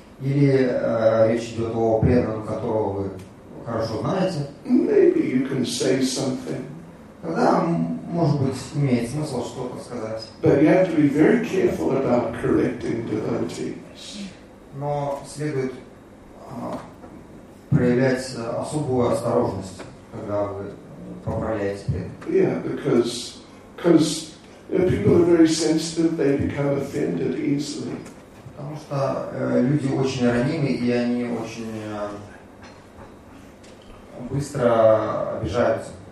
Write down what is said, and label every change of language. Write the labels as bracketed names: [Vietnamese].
[Russian] Или речь идет о преданном, которого вы хорошо знаете. [English] Maybe you can say something. [Russian] Тогда, может быть, имеет смысл что-то сказать. [English] But you have to be very careful about correcting devotees. [Russian] Но следует проявлять особую осторожность, когда вы поправляете преданных. [English] Yeah, because if people are very sensitive, they become offended easily. [Russian] Потому что люди очень ранимы, и они очень быстро обижаются.